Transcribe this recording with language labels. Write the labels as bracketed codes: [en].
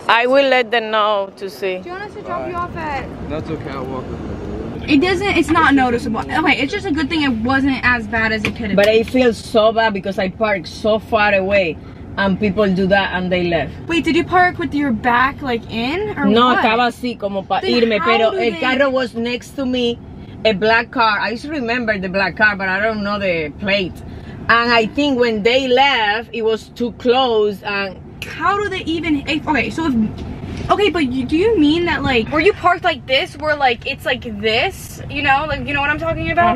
[en] So I will let them know to see. Do you want us to drop you off at? No, it's okay. I'll walk. It doesn't. It's not noticeable. Okay, it's just a good thing it wasn't as bad as it could have. But it feels so bad because I parked so far away. And people do that and they left. Wait, did you park with your back like in or no, what? [es] No, estaba así como para irme, pero el carro [en] was next to me, a black car. I just remember the black car, but I don't know the plate. And I think when they left, it was too close and... How do they even... Okay, so if... Okay, but you, do you mean that like... Were you parked like this where like it's like this, you know? Like, you know what I'm talking about?